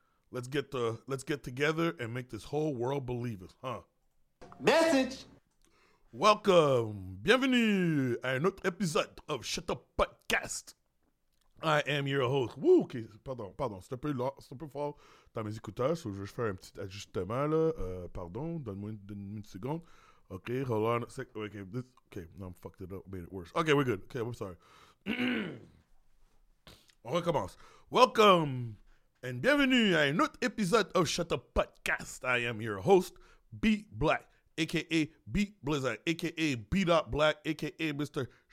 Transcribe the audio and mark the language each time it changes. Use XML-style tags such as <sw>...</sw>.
<en>Let's get together and make this whole world believe us, huh? Message. Welcome,</en> <fr>bienvenue à un autre épisode</fr> <en>of Shut Up Podcast. I am your host.</en> <fr>Woo, okay, pardon, c'est un peu fort. Dans mes écouteurs, je vais faire un petit ajustement là. Pardon, donne-moi une seconde.</fr> <en>Ok, hold on a sec. Okay, I'm fucked it up, made it worse. Okay, we're good. Okay, I'm sorry.</en> <fr>On recommence.</fr> <en>Welcome and</en> <fr>bienvenue à un autre épisode of Shut Up Podcast.</fr> <en>I am your host, B Black, aka B Blizzard, aka B Dot Black, aka Mr.</en>